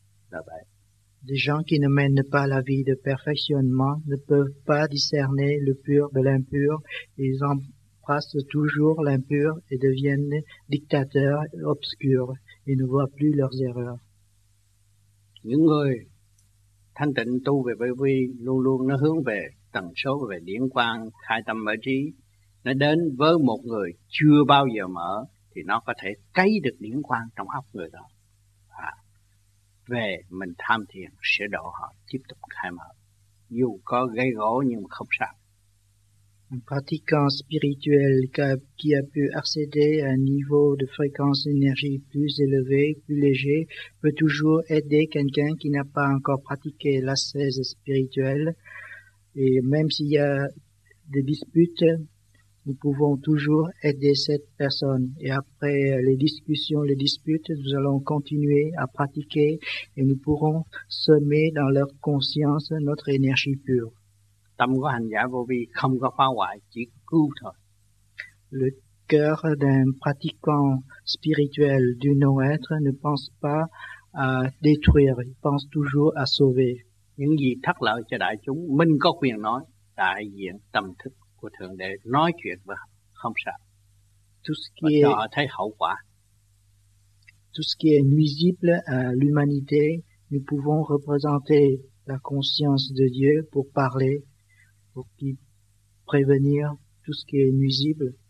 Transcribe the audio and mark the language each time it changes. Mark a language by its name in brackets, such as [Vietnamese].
[Vietnamese] Là vậy. [French] Les gens qui ne mènent pas la vie de perfectionnement ne peuvent pas discerner le pur de l'impur. Ils embrassent toujours l'impur et deviennent dictateurs obscurs. Ils ne voient plus leurs erreurs. [Vietnamese] Những người thanh tịnh tu về bởi vì luôn luôn nó hướng về tần số về điển quang, khai tâm mở trí. Nó đến với một người chưa bao giờ mở thì nó có thể cấy được điển quang trong óc người đó. Về mình tham thiền sẽ độ họ tiếp tục khai mở, dù có gây gỗ nhưng mà không sao. [French] Un pratiquant spirituel qui a pu accéder à un niveau de fréquence d'énergie plus élevé, plus léger, peut toujours aider quelqu'un qui n'a pas encore pratiqué l'ascèse spirituelle. Et même s'il y a des disputes, nous pouvons toujours aider cette personne. Et après les discussions, les disputes, nous allons continuer à pratiquer et nous pourrons semer dans leur conscience notre énergie pure. [Vietnamese] Tâm của hành giả vô vi không có phá hoại, chỉ cứu thôi. [French] Le cœur d'un pratiquant spirituel du non-être ne pense pas à détruire, il pense toujours à sauver. [Vietnamese] Những gì thất lợi cho đại chúng, mình có quyền nói, đại diện tâm thức của Thượng Đế nói chuyện và không sợ. [French] Tout ce qui [Vietnamese] và cho họ thấy hậu quả. [French] Tout ce qui est nuisible à l'humanité, nous pouvons représenter la conscience de Dieu pour parler. Pour qui prévenir tout ce qui est nuisible.